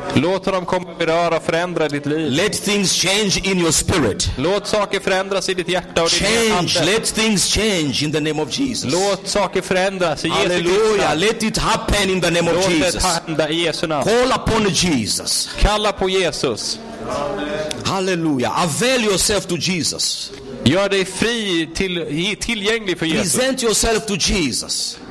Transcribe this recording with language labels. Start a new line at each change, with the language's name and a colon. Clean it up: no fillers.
Swedish: Låt dem komma och beröra och förändra ditt liv.
English: Let things change in your spirit.
Swedish: Låt saker förändras i ditt hjärta och
English: change,
Swedish: din ande.
English: Let things change in the name of Jesus.
Swedish: Låt saker förändras i Jesu namn.
English: Halleluja, let it happen in the name
Swedish: Låt
English: of Jesus.
Swedish: Låt det hända i Jesu namn.
English: Call upon Jesus.
Swedish: Kalla på Jesus.
English: Halleluja, avail yourself to Jesus.
Swedish: Gör dig fri till tillgänglig för Jesus.
English: Present yourself to Jesus.